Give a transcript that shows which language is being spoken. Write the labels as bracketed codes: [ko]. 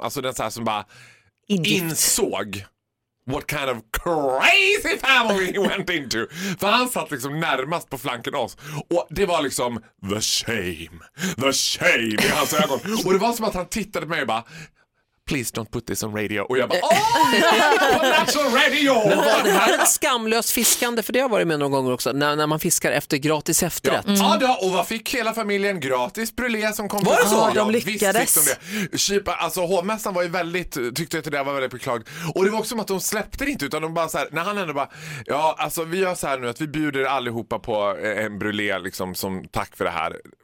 [sv] Alltså den så här som bara insåg [en] what kind of crazy family he went into. [sv] För han satt liksom närmast på flanken oss. Och det var liksom [en] the shame. The shame [sv] i hans ögon. Och det var som att han tittade på mig och bara, [en] please don't put this on radio. [sv] Och jag bara, [en] that's on radio. [sv] Men var det här ett skamlöst fiskande? För det har jag varit med någon gång också. När man fiskar efter gratis efterrätt. Ja, mm. Ja, och vad fick hela familjen? Gratis brulé som kom. Var det så? Ja, de lyckades. Ja, alltså, hovmässan var ju väldigt, tyckte att det var väldigt beklagd. Och det var också som att de släppte det inte, utan de bara så här, när han ändå bara, ja, alltså vi gör så här nu att vi bjuder allihopa på en brulé liksom som tack för det här.